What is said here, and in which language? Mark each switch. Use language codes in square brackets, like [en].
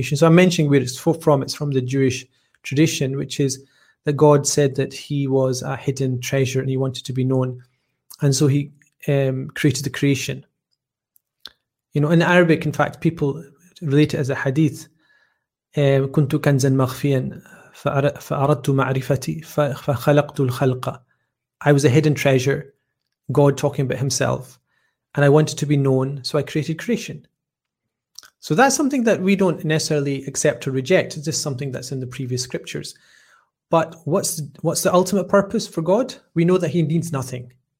[en] So I'm mentioning where it's from. It's from the Jewish tradition, which is that God said that he was a hidden treasure and he wanted to be known, and so he created the creation. You know, in Arabic, in fact, people relate it as a hadith. [ar] كنت كنزا مخفيا فأردت معرفتي فخلقت الخلق. [en] I was a hidden treasure, God talking about himself, and I wanted to be known, so I created creation. So that's something that we don't necessarily accept or reject. It's just something that's in the previous scriptures. But what's the ultimate purpose for God? We know that he needs nothing.